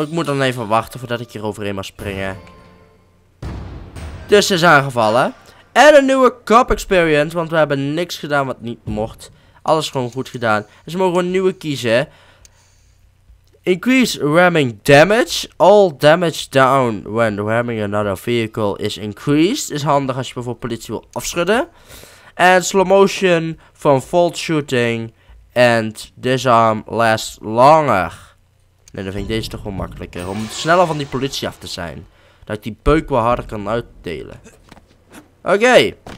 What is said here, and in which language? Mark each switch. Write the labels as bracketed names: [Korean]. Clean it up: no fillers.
[Dutch] Ik moet dan even wachten voordat ik hier overheen mag springen. Dus is aangevallen. En een nieuwe cop experience. Want we hebben niks gedaan wat niet mocht. Alles gewoon goed gedaan. Dus we mogen een nieuwe kiezen. [English] Increase ramming damage. All damage down when ramming another vehicle is increased. [Dutch] Is handig als je bijvoorbeeld politie wil afschudden. En slow motion van fault shooting. En [English] disarm last longer. [Dutch] Nee, dan vind ik deze toch wel makkelijker. Om sneller van die politie af te zijn. Dat ik die beuk wel harder kan uitdelen. Oké.